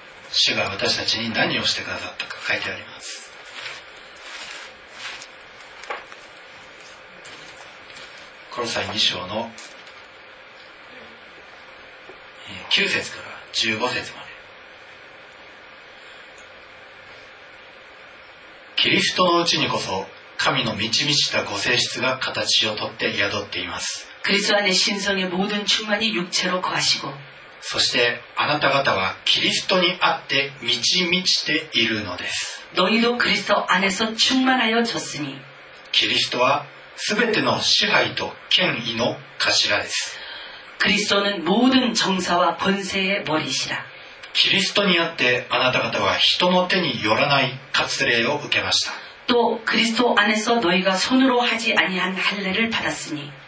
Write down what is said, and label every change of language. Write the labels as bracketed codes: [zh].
[ja] 主が私たちに何をしてくださったか書いてあります コロサイ2章の9節から15節までキリストのうちにこそ神の満ち満ちたご性質が形をとって宿っています [ko] キリスト안의신성의모든충만이육체로거하시고 [ja] そしてあなた方はキリストにあって満ち満ちているのです [ko] 너희도그리스도안에서충만하여졌으니 [ja] キリストはすべての支配と権威の頭です [ko] キリスト는모든정사와권세의머리시라 [ja] キリストにあってあなた方は人の手によらない割礼を受けました [ko] 또그리스도안에서너희가손으로하지아니한할례를받았으니